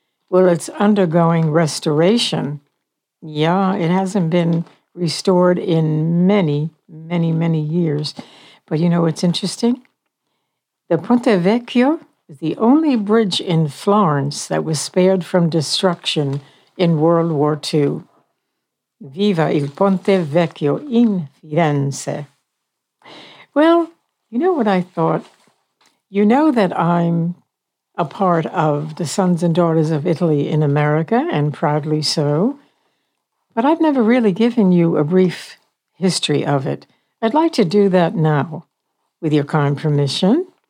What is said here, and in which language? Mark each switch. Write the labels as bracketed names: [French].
[English] Well, it's undergoing restoration. Yeah, it hasn't been restored in many, many, many years. But you know what's interesting? The Ponte Vecchio, the only bridge in Florence that was spared from destruction in World War II. [Italian] Viva il Ponte Vecchio in Firenze. [English] Well, you know what I thought? You know that I'm a part of the Sons and Daughters of Italy in America, and proudly so. But I've never really given you a brief history of it. I'd like to do that now, with your kind permission.